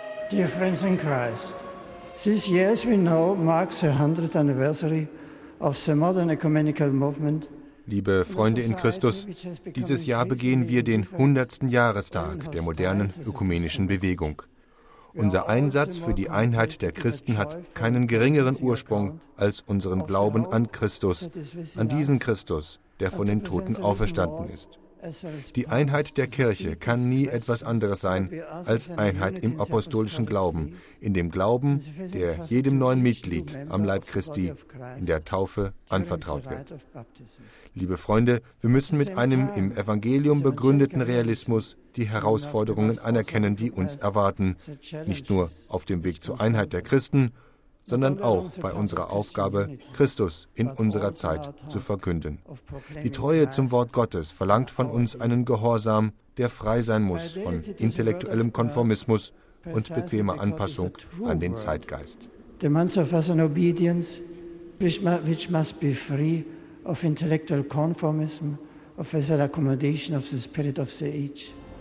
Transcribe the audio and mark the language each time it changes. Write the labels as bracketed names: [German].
[English] Dear friends in Christ, this year, as we know, marks the 100th anniversary of the modern ecumenical movement. [German] Liebe Freunde in Christus, dieses Jahr begehen wir den 100. Jahrestag der modernen ökumenischen Bewegung. Unser Einsatz für die Einheit der Christen hat keinen geringeren Ursprung als unseren Glauben an Christus, an diesen Christus, der von den Toten auferstanden ist. Die Einheit der Kirche kann nie etwas anderes sein als Einheit im apostolischen Glauben, in dem Glauben, der jedem neuen Mitglied am Leib Christi in der Taufe anvertraut wird. Liebe Freunde, wir müssen mit einem im Evangelium begründeten Realismus die Herausforderungen anerkennen, die uns erwarten, nicht nur auf dem Weg zur Einheit der Christen, sondern auch bei unserer Aufgabe, Christus in unserer Zeit zu verkünden. Die Treue zum Wort Gottes verlangt von uns einen Gehorsam, der frei sein muss von intellektuellem Konformismus und bequemer Anpassung an den Zeitgeist. [English] Demands of us an obedience, which must be free of intellectual conformism, of as an accommodation of the spirit of the age.